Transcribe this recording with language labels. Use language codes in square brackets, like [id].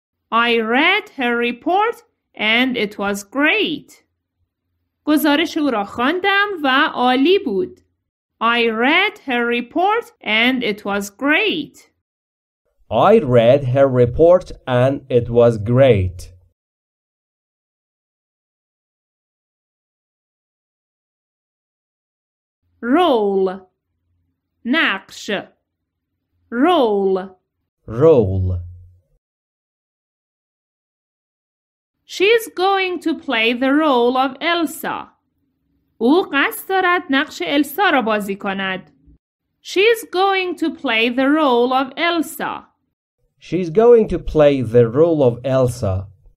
[en] I read her report and it was great. [fa] گزارش او را خواندم و عالی بود. [en] I read her report and it was great. I read her report and it was great. Roll. [fa] نقش. [en] Roll. Roll. She's going to play the role of Elsa. [fa] او قصد دارد نقش السا را بازی کند. [en] She's going to play the role of Elsa. She's going to play the role of Elsa.